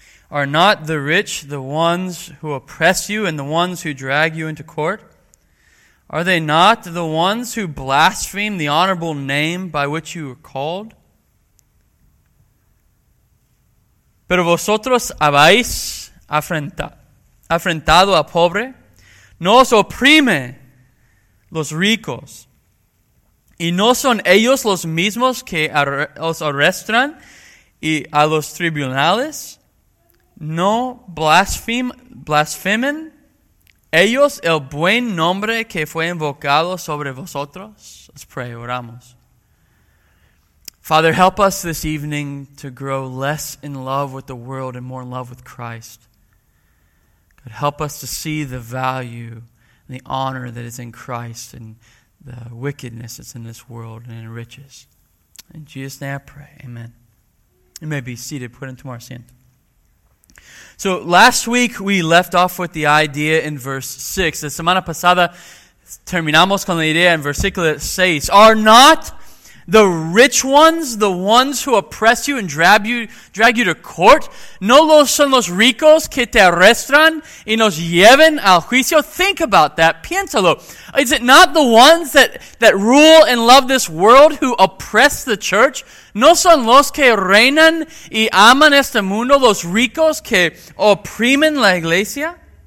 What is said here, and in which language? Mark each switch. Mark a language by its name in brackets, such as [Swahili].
[English] Are not the rich the ones who oppress you and the ones who drag you into court? Are they not the ones who blaspheme the honorable name by which you are called? [Spanish] Pero vosotros habéis afrentado a pobre, no os oprime los ricos, y no son ellos los mismos que os arrestan y a los tribunales, no blasfemen ellos el buen nombre que fue invocado sobre vosotros. [English] Let's pray, oramos. Father, help us this evening to grow less in love with the world and more in love with Christ. God, help us to see the value and the honor that is in Christ and the wickedness that's in this world and in riches. In Jesus' name I pray, amen. You may be seated, put into our seat. So last week we left off with the idea in verse 6. [Spanish] La semana pasada terminamos con la idea en versículo 6. [English] Are not the rich ones, the ones who oppress you and drag you to court, [Spanish] no los son los ricos que te arrestan y nos lleven al juicio? [English] Think about that. [Spanish] Piénsalo. [English] Is it not the ones that rule and love this world who oppress the church? [Spanish] No son los que reinan y aman este mundo los ricos que oprimen la iglesia?